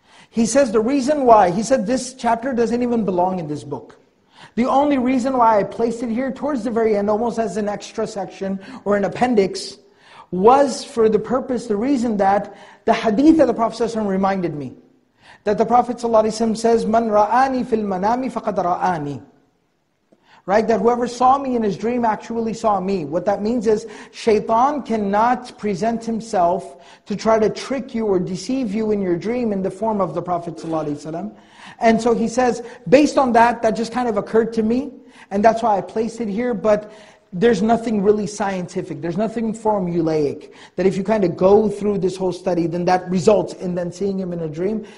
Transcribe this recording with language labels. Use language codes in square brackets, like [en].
[en] He says the reason why, he said this chapter doesn't even belong in this book. The only reason why I placed it here towards the very end, almost as an extra section or an appendix, was for the purpose, the reason that the hadith of the Prophet ﷺ reminded me. That the Prophet ﷺ says, [ar] مَنْ رَآنِي فِي الْمَنَامِ فَقَدْ رَآنِي. [en] Right, that whoever saw me in his dream actually saw me. What that means is, shaitan cannot present himself to try to trick you or deceive you in your dream in the form of the Prophet ﷺ. And so he says, based on that, that just kind of occurred to me, and that's why I placed it here, but there's nothing really scientific, there's nothing formulaic, that if you kind of go through this whole study, then that results in then seeing him in a dream.